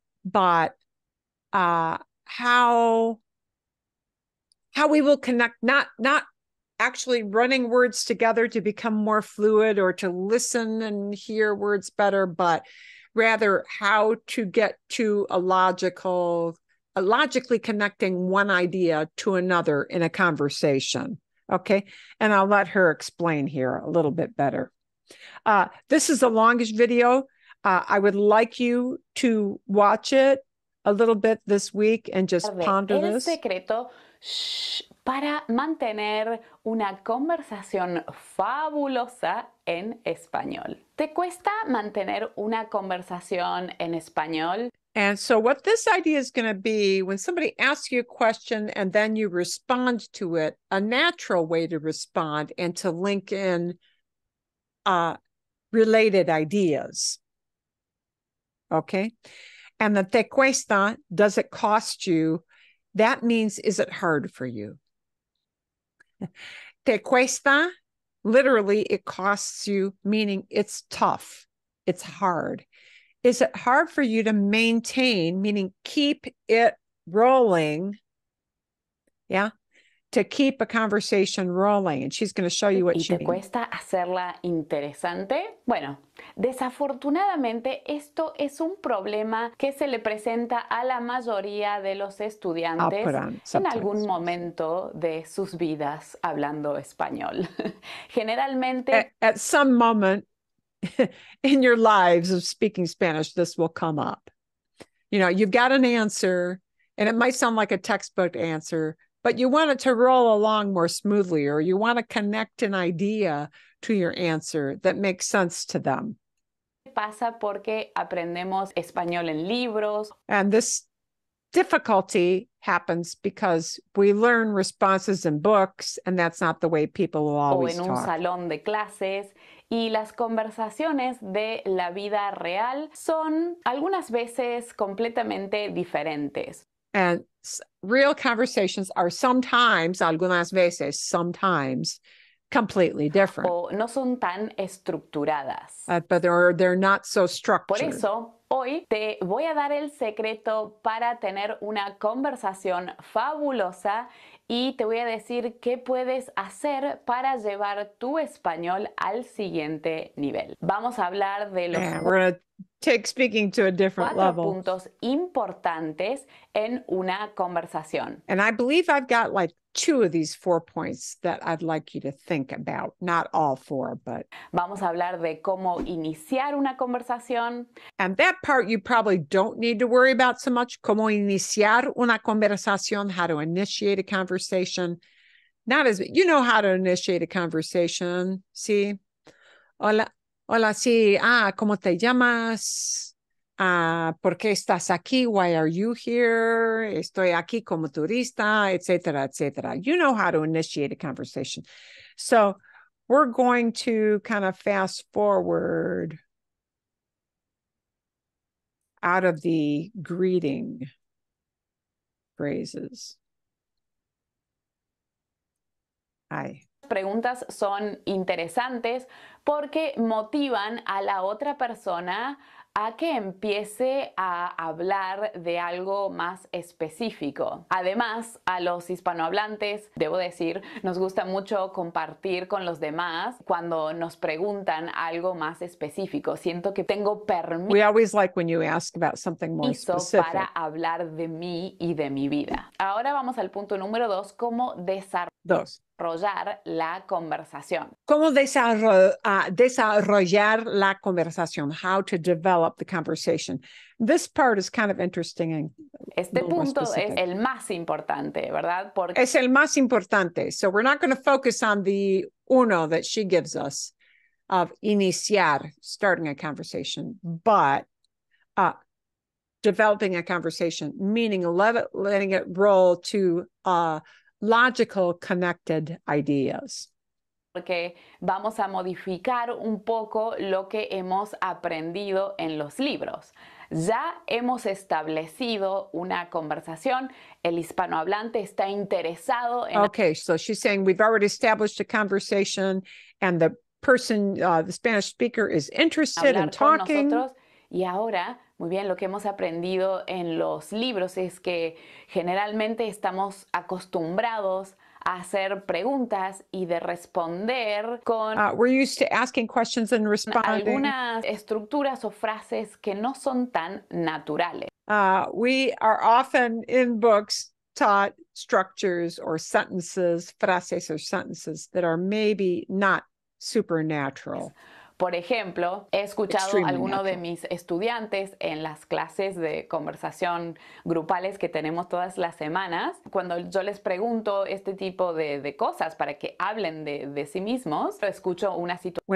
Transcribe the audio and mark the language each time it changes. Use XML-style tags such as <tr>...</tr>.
<en>but how we will connect, not actually running words together to become more fluid or to listen and hear words better, but rather how to get to a logically connecting one idea to another in a conversation. Okay. And I'll let her explain here a little bit better. This is the longest video. I would like you to watch it a little bit this week and just ponder this.</en> <es>El secreto para mantener una conversación fabulosa en español. ¿Te cuesta mantener una conversación en español?</es> <en>And so what this idea is going to be, when somebody asks you a question and then you respond to it, a natural way to respond and to link in related ideas. Okay. And the</en> <es>te cuesta,</es> <en>does it cost you? That means, is it hard for you?</en> <es>Te cuesta,</es> <en>literally, it costs you, meaning it's tough. It's hard. Is it hard for you to maintain, meaning keep it rolling? Yeah. To keep a conversation rolling. And she's going to show you what</en> <es>¿Y</es> <en>she means.</en> <es>¿Te cuesta hacerla interesante? Bueno, desafortunadamente, esto es un problema que se le presenta a la mayoría de los estudiantes en algún momento de sus vidas hablando español. Generalmente...</es> <en>At some moment in your lives of speaking Spanish, this will come up. You know, you've got an answer, and it might sound like a textbook answer, but you want it to roll along more smoothly, or you want to connect an idea to your answer that makes sense to them.</en> <es>Pasa porque aprendemos español en libros.</es> <en>And this difficulty happens because we learn responses in books, and that's not the way people will always talk.</en> <es>O en un salón de clases. Y las conversaciones de la vida real son algunas veces completamente diferentes.</es> <en>And real conversations are sometimes,</en> <es>algunas veces,</es> <en>sometimes, completely different.</en> <es>O no son tan estructuradas.</es> <en>But they're not so structured.</en> <es>Por eso, hoy te voy a dar el secreto para tener una conversación fabulosa y te voy a decir qué puedes hacer para llevar tu español al siguiente nivel. Vamos a hablar de los...</es> <en>Take speaking to a different</en> <es>cuatro</es> <en>level.</en> <es>Puntos importantes en una conversación.</es> <en>And I believe I've got like two of these four points that I'd like you to think about. Not all four, but...</en> <es>Vamos a hablar de cómo iniciar una conversación.</es> <en>And that part you probably don't need to worry about so much.</en> <es>Cómo iniciar una conversación,</es> <en>how to initiate a conversation. Not as... You know how to initiate a conversation.</en> <es>¿Sí? Hola. Hola, sí. Ah, ¿cómo te llamas? Ah, ¿por qué estás aquí?</es> <en>Why are you here?</en> <es>Estoy aquí como turista, etc., etc.</es> <en>You know how to initiate a conversation. So we're going to kind of fast forward out of the greeting phrases. Hi.</en> <es>Preguntas son interesantes porque motivan a la otra persona a que empiece a hablar de algo más específico. Además, a los hispanohablantes, debo decir, nos gusta mucho compartir con los demás cuando nos preguntan algo más específico. Siento que tengo permiso.</es> <en>We always like when you ask about something more specific.</en> <es>Para hablar de mí y de mi vida. Ahora vamos al punto número dos, cómo desarrollar la conversación. ¿Cómo desarrollar la conversación?</es> <en>How to develop the conversation. This part is kind of interesting and</en> <es>este punto es el más importante, ¿verdad? Porque... Es el más importante.</es> <en>So we're not going to focus on the uno that she gives us of iniciar, starting a conversation, but developing a conversation, meaning letting it roll to logical connected ideas.</en> <es>Porque vamos a modificar un poco lo que hemos aprendido en los libros. Ya hemos establecido una conversación. El hispanohablante está interesado en...</es> <en>Okay, so she's saying we've already established a conversation and the person, the Spanish speaker is interested in talking.</en> <es>Nosotros, y ahora Muy bien, lo que hemos aprendido en los libros es que generalmente estamos acostumbrados a hacer preguntas y de responder con</es> <en>we're used to asking questions and responding.</en> <es>Algunas estructuras o frases que no son tan naturales.</es> <en>We are often in books taught structures or sentences, frases or sentences that are maybe not supernatural.</en> <es>Por ejemplo, he escuchado a alguno de mis estudiantes en las clases de conversación grupales que tenemos todas las semanas, cuando yo les pregunto este tipo de cosas para que hablen de sí mismos, escucho una situación.</es>